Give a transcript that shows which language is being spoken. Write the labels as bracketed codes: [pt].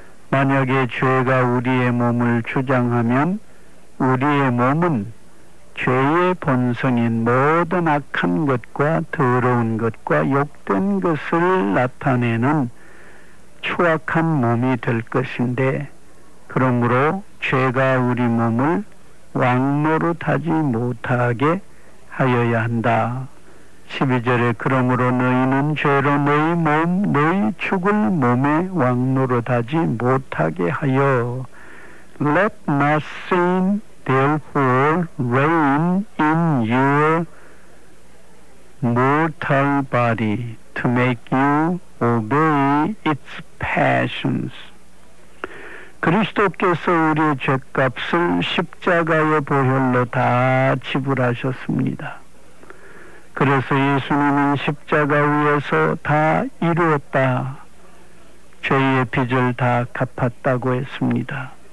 [ko] 만약에 죄가 우리의 몸을 주장하면 우리의 몸은 죄의 본성인 모든 악한 것과 더러운 것과 욕된 것을 나타내는 추악한 몸이 될 것인데, 그러므로 죄가 우리 몸을 왕노릇하지 못하게 하여야 한다. 12절에 그러므로 너희는 죄로 너희 몸, 너희 죽을 몸에 왕노릇하지 못하게 하여. [en] Let not sin therefore reign in your mortal body to make you obey its passions. [ko] 그리스도께서 우리의 죄값을 십자가의 보혈로 다 지불하셨습니다. 그래서 예수님은 십자가 위에서 다 이루었다, 죄의 빚을 다 갚았다고 했습니다.